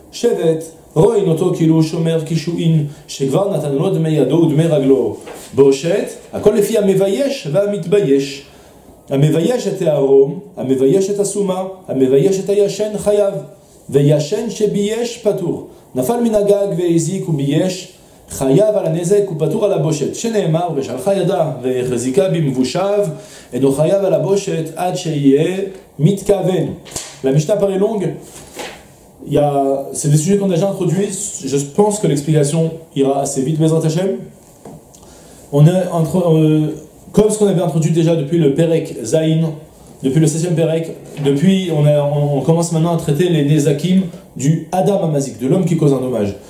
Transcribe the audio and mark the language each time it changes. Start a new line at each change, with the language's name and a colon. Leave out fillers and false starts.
Hebrew: Shevet, roin oto kilu shomer kishuin, shekvar natanlo dmei yado ודמי רגלו. Boshet, הכל לפי המבייש והמתבייש. המבייש את הערום, המבייש את הסומה, המבייש את הישן חייב. וישן שבייש פטור. נפל מן הגג והזיק ובייש. חייב על הנזק ופטור על הבושת, שנאמר, ושלחה ידה והחזיקה במבושיו, אינו חייב על הבושת עד שיהיה מתכוון. למשנה פרי לונג,
French: c'est des sujets qu'on a déjà introduits, je pense que l'explication ira assez vite, Bezrat Hashem. On est entre, comme ce qu'on avait introduit déjà depuis le Perek Zayin, depuis le 16e Perek, depuis, on commence maintenant à traiter les Nezakim du Adam Amazik, de l'homme qui cause un dommage.